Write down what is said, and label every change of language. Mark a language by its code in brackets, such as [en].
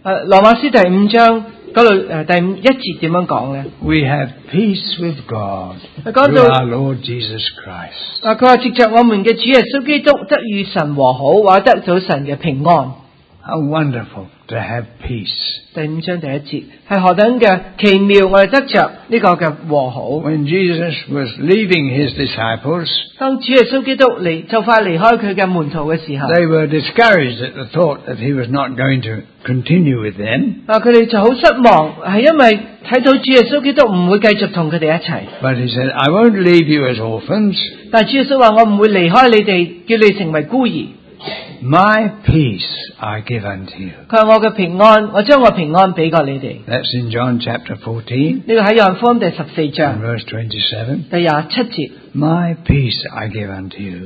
[yue] 罗马书第五章嗰度第一节点样讲咧 [en] ？We have peace with God through our Lord Jesus Christ。 [yue] 佢话藉着我们嘅主耶稣基督得与神和好，或得到神嘅平安。 [en] How wonderful to have peace！ [yue] 第五章第一节系何等嘅奇妙，我哋得着呢个嘅和好。 [en] When Jesus was leaving his disciples， [yue] 当主耶稣基督就快离开佢嘅门徒嘅时候 [en] ，they were discouraged at the thought that he was not going to continue with them。 [yue] 佢哋就好失望，系因为睇到主耶稣基督唔会继续同佢哋一齐。 [en] But he said， I won't leave you as orphans。 [yue] 但主耶稣话我唔会离开你哋，叫你成为孤儿。 [en] My peace I give unto you. [yue] 佢话我嘅平安，我将我平安俾过你哋。 [en] That's in John chapter 14. [yue] 呢个喺约翰福音第十四章。 [en] Verse 27. [yue] 第27节。 [en] My peace I give unto you.